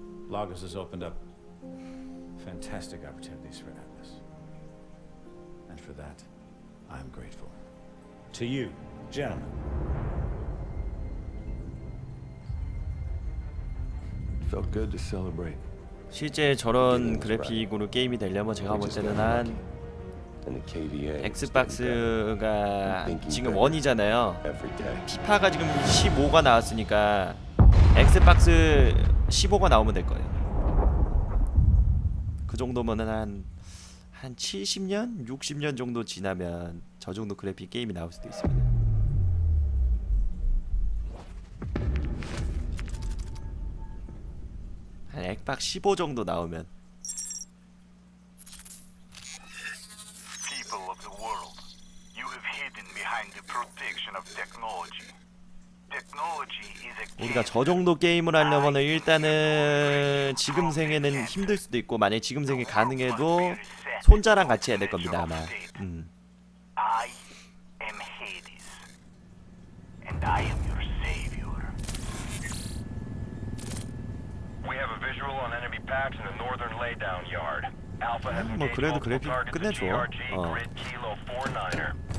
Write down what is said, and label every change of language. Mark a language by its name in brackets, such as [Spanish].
[English] Lagos has opened up fantastic opportunities for Atlas. And for that, I am grateful. To you, gentlemen. It felt good to celebrate. [Korean] 실제 저런 그래픽으로 게임이 되려면 제가 볼 때는 한 엑스박스가 지금 원이잖아요. 피파가 지금 15가 나왔으니까 엑스박스 15가 나오면 될 거예요. 그 정도면은 한 70년, 60년 정도 지나면 저 정도 그래픽 게임이 나올 수도 있습니다. 한 액박 15 정도 나오면. [English] People of the world, you have hidden behind the protection of technology. Technology is a. [Korean] 우리가 저 정도 게임을 하려면은 일단은 지금 생에는 힘들 수도 있고, 만약 지금 생에 가능해도 손자랑 같이 해야 될 겁니다 아마. [English] I am Hades, and I am your savior. We have a visual on enemy packs in the northern laydown yard. Alpha has engaged multiple targets. The GRG grid kilo 49er.